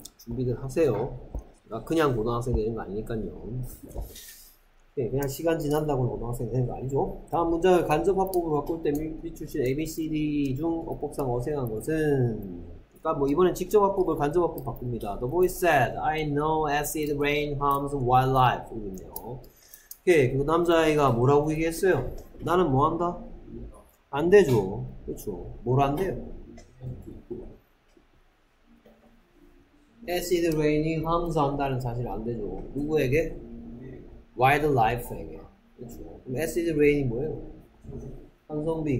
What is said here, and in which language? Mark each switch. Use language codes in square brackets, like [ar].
[ko] 준비를 하세요. 그냥 고등학생 되는 거 아니니깐요. 네, 그냥 시간 지난다고 고등학생 되는 거 아니죠. 다음 문장을 간접합법으로 바꿀 때 밑줄 친 ABCD 중 어법상 어색한 것은? 그러니까 뭐 이번엔 직접합법을 간접합법 바꿉니다. [en] The boy said, I know acid rain harms wildlife. [ko] 이거네요. 오케이, 그 남자아이가 뭐라고 얘기했어요? 나는 뭐 한다? 안 되죠. 그렇죠. 뭘안 돼요? acid rain이 harms 한다는 사실 안 되죠. 누구에게? wildlife에게. 그쵸. 그럼 acid rain이 뭐예요? 산성비.